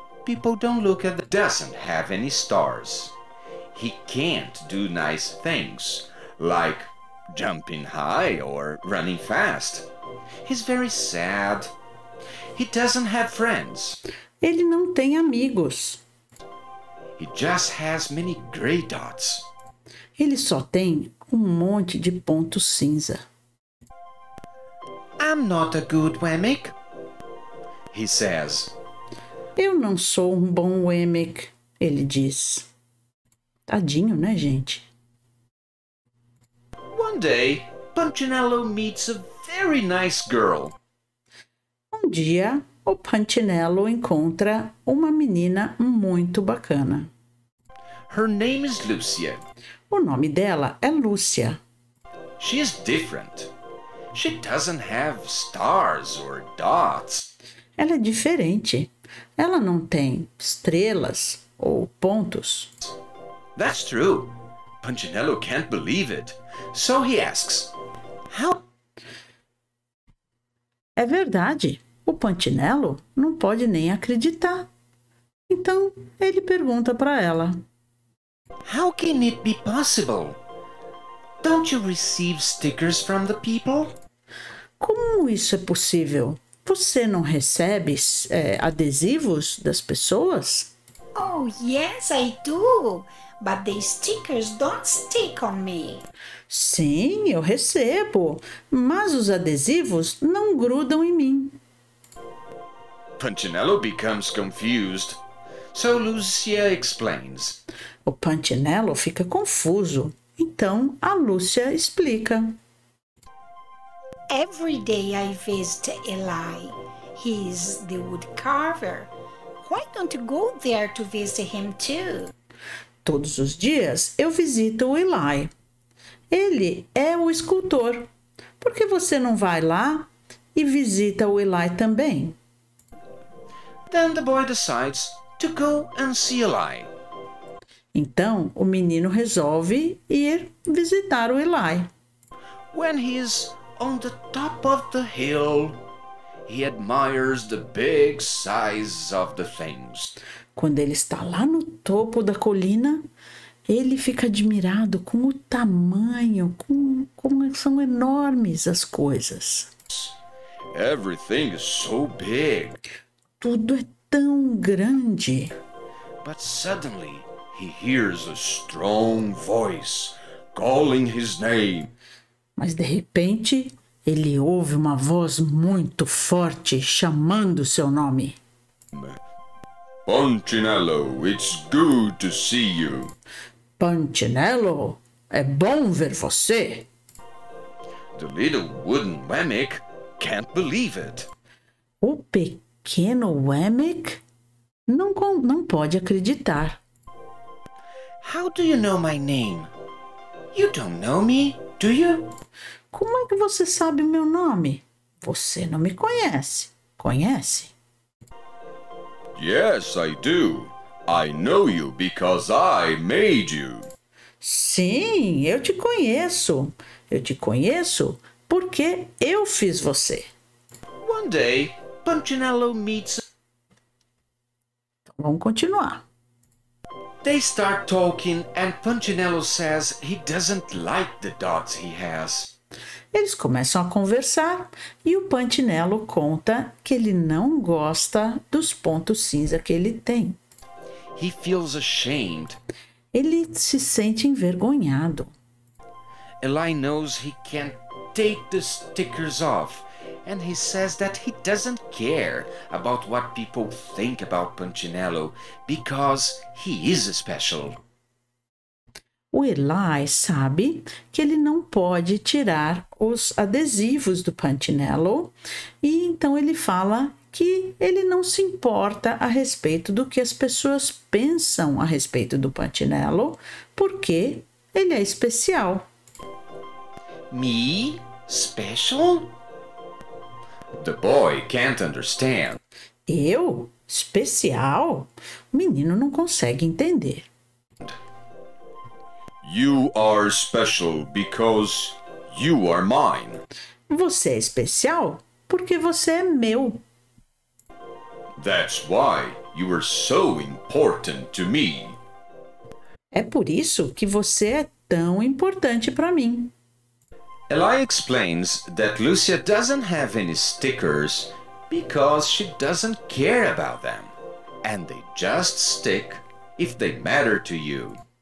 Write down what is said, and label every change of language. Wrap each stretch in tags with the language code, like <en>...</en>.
<en>People don't look at them. Doesn't have any stars. He can't do nice things, like jumping high or running fast. He's very sad. He doesn't have friends.</en> <pt>Ele não tem amigos.</pt> <en>He just has many gray dots.</en> <pt>Ele só tem um monte de pontos cinza.</pt> <en>I'm not a good Wemmick, he says.</en> <pt>Eu não sou um bom Wemmick, ele diz. Tadinho, né, gente?</pt> <en>One day, Punchinello meets a very nice girl.</en> <pt>Um dia, o Punchinello encontra uma menina muito bacana.</pt> <en>Her name is Lucia.</en> <pt>O nome dela é Lúcia.</pt> <en>She is different. She doesn't have stars or dots.</en> <pt>Ela é diferente. Ela não tem estrelas ou pontos.</pt> <en>That's true. Punchinello can't believe it. So he asks, how?</en> <pt>É verdade. O Punchinello não pode nem acreditar. Então ele pergunta para ela.</pt> <en>How can it be possible? Don't you receive stickers from the people?</en> <pt>Como isso é possível? Você não recebe adesivos das pessoas?</pt> <en>Oh, yes, I do. But the stickers don't stick on me.</en> <pt>Sim, eu recebo. Mas os adesivos não grudam em mim.</pt> <en>Punchinello becomes confused. So Lucia explains.</en> <pt>O Punchinello fica confuso. Então, a Lúcia explica.</pt> <en>Every day I visit Eli. He's the woodcarver. Why don't you go there to visit him too?</en> <pt>Todos os dias eu visito o Eli. Ele é o escultor. Por que você não vai lá e visita o Eli também?</pt> <en>Then the boy decides to go and see Eli.</en> <pt>Então, o menino resolve ir visitar o Eli.</pt> <en>When he is on the top of the hill, he admires the big size of the things.</en> <pt>Quando ele está lá no topo da colina, ele fica admirado com o tamanho, com como são enormes as coisas.</pt> <en>Everything is so big.</en> <pt>Tudo é tão grande.</pt> <en>But suddenly he hears a strong voice calling his name.</en> <pt>Mas de repente ele ouve uma voz muito forte chamando seu nome.</pt> <en>Punchinello, it's good to see you.</en> <pt>Punchinello, é bom ver você.</pt> <en>The little wooden Wemmick can't believe it.</en> <pt>O pequeno Wemmick não pode acreditar.</pt> <en>How do you know my name? You don't know me, do you?</en> <pt>Como é que você sabe meu nome? Você não me conhece. Conhece?</pt> <en>Yes, I do. I know you because I made you.</en> <pt>Sim, eu te conheço. Eu te conheço porque eu fiz você.</pt> <en>One day, Punchinello meets...</en> <pt>Então, vamos continuar.</pt> <en>They start talking and Punchinello says he doesn't like the dots he has.</en> <pt>Eles começam a conversar e o Punchinello conta que ele não gosta dos pontos cinza que ele tem.</pt> <en>He feels ashamed.</en> <pt>Ele se sente envergonhado.</pt> <en>Eli knows he can't take the stickers off and he says that he doesn't care about what people think about Punchinello because he is special.</en> <pt>O Eli sabe que ele não pode tirar os adesivos do Punchinello e então ele fala que ele não se importa a respeito do que as pessoas pensam a respeito do Punchinello porque ele é especial.</pt> <en>Me? Special? The boy can't understand.</en> <pt>Eu? Especial? O menino não consegue entender.</pt> <en>You are special because you are mine.</en> <pt>Você é especial porque você é meu. That's why you are so important to me. É por isso que você é tão importante para mim.</pt> <en>Eli explains that Lucia doesn't have any stickers because she doesn't care about them. And they just stick if they matter to you.</en>